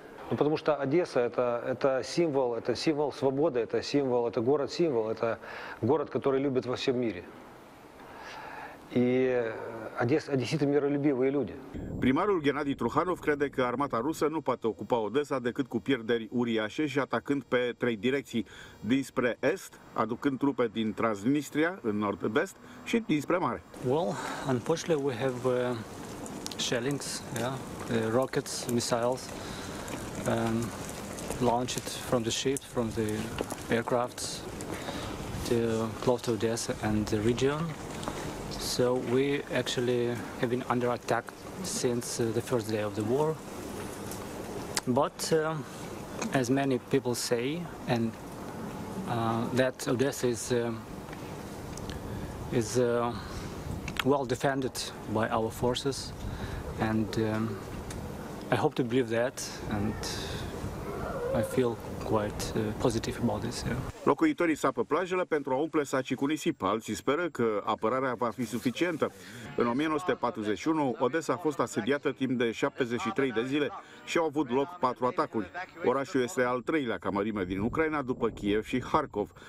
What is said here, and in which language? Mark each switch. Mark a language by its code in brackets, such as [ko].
[ru] Потому что Одесса это символ, это символ свободы, это символ, это город символ, это город, который любят во всем мире. И одесситы миролюбивые люди. [ro] Primarul Ghenadi Truhanov crede că armata rusă nu poate ocupa Odessa decât cu pierderi uriașe și atacând pe 3 direcții: dinspre est, aducând trupe din Transnistria în nord-est și dinspre mare. [en] Well, unfortunately we have shellings, rockets, missiles. Launch it from the ships, from the aircrafts, to close to Odessa and the region. So we actually have been under attack since the first day of the war. But as many people say, and that Odessa is well defended by our forces, and I hope to believe that and I feel quite positive about this. Yeah. [ro] Locuitorii sapă plajele pentru a umple sacii cu nisip. Alții speră că apărarea va fi suficientă. În 1941, Odessa a fost asediată timp de 73 de zile și au avut loc 4 atacuri. Orașul este al treilea ca mărime din Ucraina după Kiev și Harkov.